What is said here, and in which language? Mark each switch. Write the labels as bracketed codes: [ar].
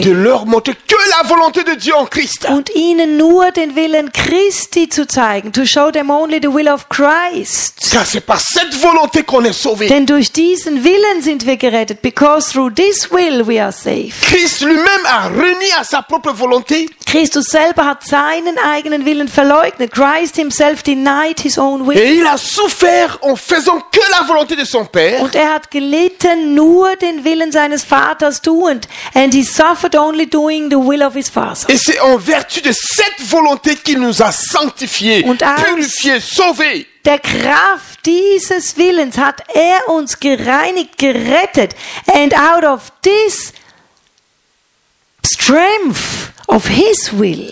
[fr] Et de leur montrer que la volonté de Dieu en Christ. [de] Und ihnen nur den Willen Christi zu zeigen. [en] To show them only the will of Christ. [fr] Car c'est par cette volonté qu'on est sauvés. [de] Denn durch diesen Willen sind wir gerettet. [en] Because through this will we are saved. [fr] Christ lui-même a renié à sa propre volonté. [de] Christus selber hat seinen eigenen Willen verleugnet. [en] Christ himself denied his own will. [fr] Et il a souffert en faisant que la volonté de son Père. [de] Und hat gelitten nur den Willen seines Vaters tuend. [en] And he suffered only doing the will of his Father. [fr] Et c'est en vertu de cette volonté qu'il nous a sanctifiés, purifiés, sauvés. [de] Der Kraft dieses Willens hat uns gereinigt, gerettet. [en] And out of this strength of his will.